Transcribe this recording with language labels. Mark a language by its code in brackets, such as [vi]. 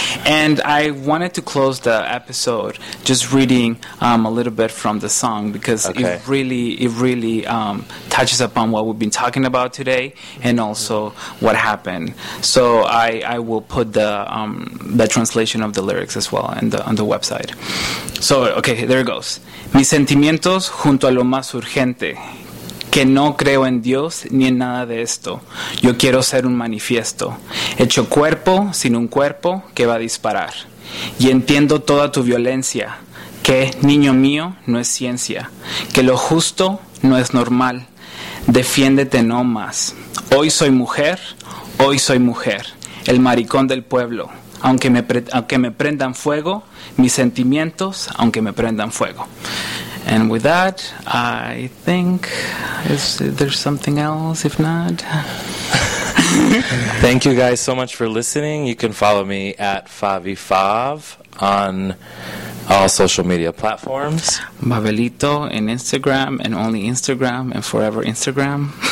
[en] And I wanted to close the episode just reading a little bit from the song because okay. it really touches upon what we've been talking about today and also what happened. So I will put the translation of the lyrics as well on the website. So, okay, there it goes. [es] Mis sentimientos junto a lo más urgente. Que no creo en Dios ni en nada de esto. Yo quiero ser un manifiesto. Hecho cuerpo sin un cuerpo que va a disparar. Y entiendo toda tu violencia. Que, niño mío, no es ciencia. Que lo justo no es normal. Defiéndete no más. Hoy soy mujer. Hoy soy mujer. El maricón del pueblo. Aunque me prendan fuego, mis sentimientos, aunque me prendan fuego. [en] And with that, I think there's something else, if not. Thank you guys so much for listening. You can follow me at Favi Fav on all social media platforms. Mabelito in Instagram, and only Instagram, and forever Instagram.